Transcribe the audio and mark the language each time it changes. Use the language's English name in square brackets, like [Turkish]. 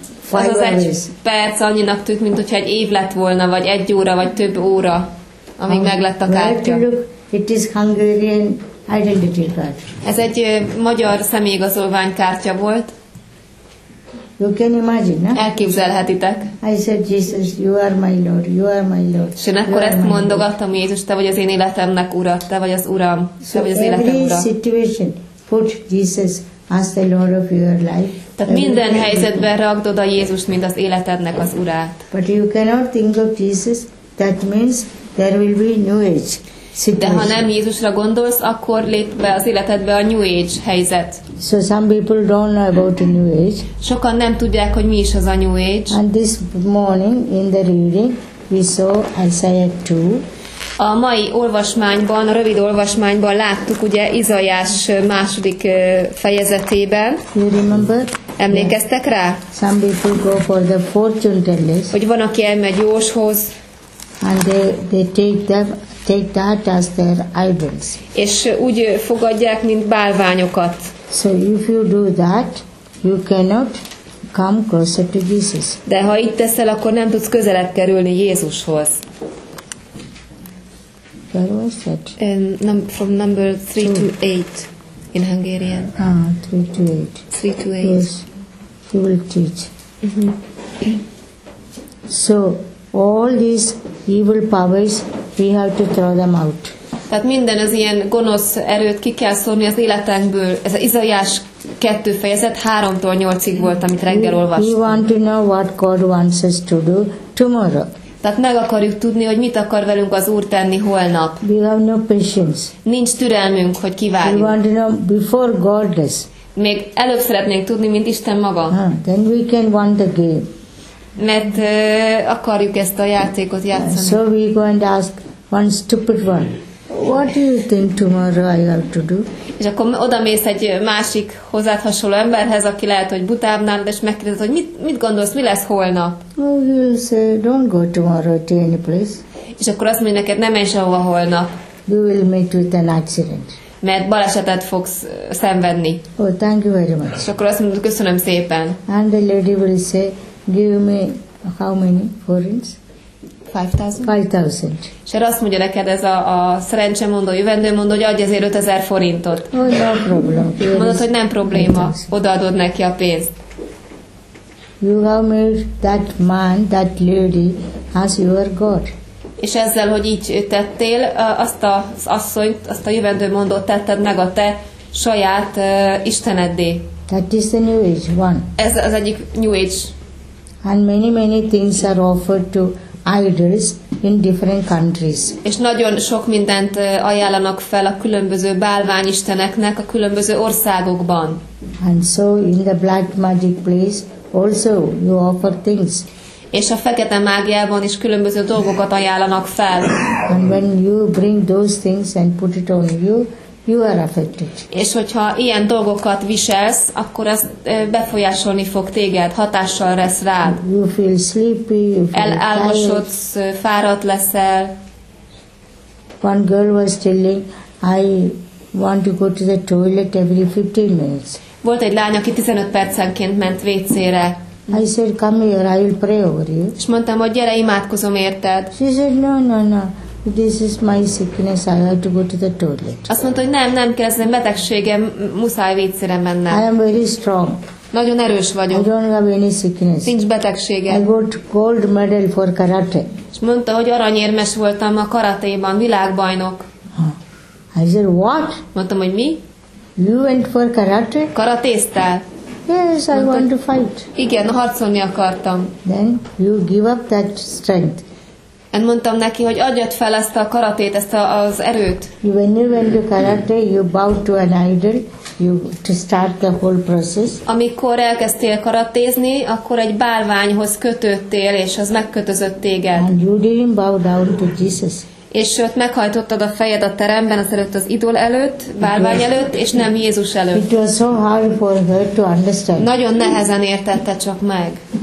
[Hungarian] az egy perc annyinak tűnt, mint hogyha egy év lett volna, vagy egy óra, vagy több óra, amíg meglett a kártya. [English] It is Hungarian identity card. [Hungarian] Ez egy magyar személyigazolvány kártya volt. [English] You can imagine, no? [Hungarian] Elképzelhetitek. [English] I said, Jesus, you are my Lord, you are my Lord. [Hungarian] És én akkor ezt mondogattam, Jézus, te vagy az én életemnek ura, te vagy az Uram, te vagy az életem ura. [English] So every situation, put Jesus as the Lord of your life. [Hungarian] Tehát minden helyzetben rakd oda Jézust, mint az életednek az urát. [English] But you cannot think of Jesus, that means there will be new age situation. [Hungarian] De ha nem Jézusra gondolsz, akkor lép be az életedbe a new age helyzet. [English] So some people don't know about the new age. [Hungarian] Sokan nem tudják, hogy mi is az a new age. [English] And this morning in the reading we saw Isaiah 2. [Hungarian] A mai olvasmányban, a rövid olvasmányban láttuk ugye Izajás második fejezetében. [English] You remember? [Hungarian] Emlékeztek rá? [English] Some people go for the fortune tellers. [Hungarian] Hogy van, aki elmegy jóshoz. [English] And they take that as their idols. [Hungarian] És úgy fogadják, mint bálványokat. [English] So if you do that, you cannot come closer to Jesus. [Hungarian] De ha itt teszel, akkor nem tudsz közelebb kerülni Jézushoz. [English] Where was that? From number 3 to 8 in Hungarian. Ah, 3 to 8. 3 to 8. Yes, he will teach. So all these evil powers, we have to throw them out. [Hungarian] Tehát minden az ilyen gonosz erőt ki kell szórni az életünkből. Ez az Izaiás 2 fejezet 3-tól 8-ig volt, amit reggel olvastunk. [English] We want to know what God wants us to do tomorrow. [Hungarian] Tehát meg akarjuk tudni, hogy mit akar velünk az Úr tenni holnap. [English] We have no patience. [Hungarian] Nincs türelmünk, hogy kivárjunk. [English] We want to know before God does. [Hungarian] Még előbb szeretnénk tudni, mint Isten maga. [English] Then we can want the game. [Hungarian] Mert akarjuk ezt a játékot játszani. [English] So we go and ask one stupid one, what do you think tomorrow I have to do? [Hungarian] És akkor oda mész egy másik hozzád hasonló emberhez, aki lehet, hogy butább nál, és megkérdez, hogy mit gondolsz, mi lesz holnap? [English] Well, you say, don't go tomorrow to any place. [Hungarian] És akkor azt mondja neked, ne menj sehova holnap. [English] You will meet with an accident. [Hungarian] Mert balesetet fogsz szenvedni. [English] Oh, thank you very much. [Hungarian] És akkor azt mondja, köszönöm szépen. [English] And the lady will say, give me how many forints? 5,000. [Hungarian] És erre azt mondja neked ez a szerencsemondó, jövendőmondó, hogy adj ezért 5000 forintot. [English] Oh, no problem. [Hungarian] Mondod, hogy nem probléma, odaadod neki a pénzt. [English] You have made that man, that lady as your God. [Hungarian] És ezzel, hogy így tettél, azt az asszonyt, azt a jövendőmondót tetted meg a te saját isteneddé. [English] That is the new age one. [Hungarian] Ez az egyik new age. [English] And many things are offered to idols in different countries. [Hungarian] És nagyon sok mindent ajánlanak fel a különböző bálványisteneknek a különböző országokban. [English] And so in the black magic place also you offer things. [Hungarian] És a fekete mágiában is különböző dolgokat ajánlanak fel. [English] And when you bring those things and put it on you, you are affected. [Hungarian] És hogyha ilyen dolgokat viselsz, akkor ez befolyásolni fog téged, hatással lesz rád. [English] You feel sleepy, you feel tired. [Hungarian] Elmosodsz, fáradt leszel. [English] One girl was telling, I want to go to the toilet every 15 minutes. [Hungarian] Volt egy lány, aki 15 percenként ment WC-re. [English] I said, come here, I will pray over you. [Hungarian] És mondtam, hogy gyere, imádkozom érted. [English] She said, no. This is my sickness, I have to go to the toilet. [Hungarian] Azt mondta, hogy nem kell, ez egy betegségem, muszáj WC-re mennem. [English] I am very strong. [Hungarian] Nagyon erős vagyok. [English] I don't have any sickness. [Hungarian] Nincs betegségem. [English] I got gold medal for karate. [Hungarian] És mondta, hogy aranyérmes voltam a karateban, világbajnok. [English] I said, what? [Hungarian] Mondtam, hogy mi? [English] You went for karate? [Hungarian] Karatéztál. [English] Yes, I want to fight. [Hungarian] Igen, harcolni akartam. [English] Then you give up that strength. [Hungarian] Én mondtam neki, hogy adjad fel ezt a karatét, ezt az erőt. [English] When you went to karate, you bowed to an idol, you to start the whole process. [Hungarian] Amikor elkezdtél karatézni, akkor egy bálványhoz kötöttél, és az megkötözött téged. [English] And you didn't bow down to Jesus. [Hungarian] És ott meghajtottad a fejed a teremben, azelőtt az idol előtt, bálvány előtt, és nem Jézus előtt. [English] It was so hard for her to understand. [Hungarian] Nagyon nehezen értette csak meg.